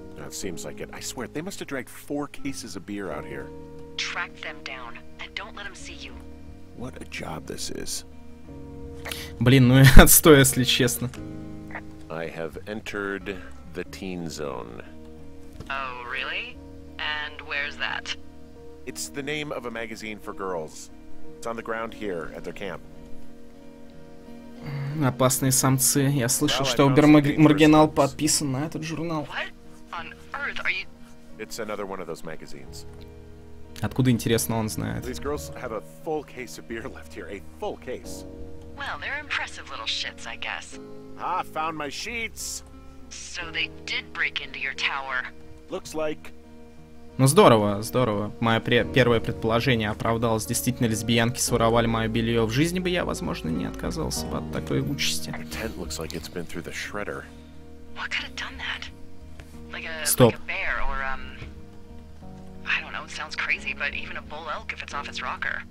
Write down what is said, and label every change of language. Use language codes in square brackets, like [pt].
[en] That seems like it. I swear, they must have dragged 4 cases of beer out here. Track them down and don't let them see you. What a job this is. [ru] Блин, ну и отстой, если честно. [en] I have entered the teen zone. Oh, really? And where's that? It's the name of a magazine for girls. It's on the ground here at their camp. [ru] Опасные самцы. Я слышал, что Убермаргинал подписан на этот журнал. [en] What on earth are you? It's another one of those magazines. [ru] Откуда, интересно, он знает? [en] These girls have a full case of beer left here, a full case. Well, they're impressive little shits, I guess. Ah, found my sheets. So they did break into your tower. Looks like. [ru] Ну здорово, здорово. Мое первое предположение оправдалось. Действительно, лесбиянки своровали мое белье. В жизни бы я, возможно, не отказался бы от такой участи. [en] Our tent looks like it's been through the shredder. What could have done that? Like a, Stop. Like a bear or I don't know, it sounds crazy, but even a bull elk if it's off its rocker.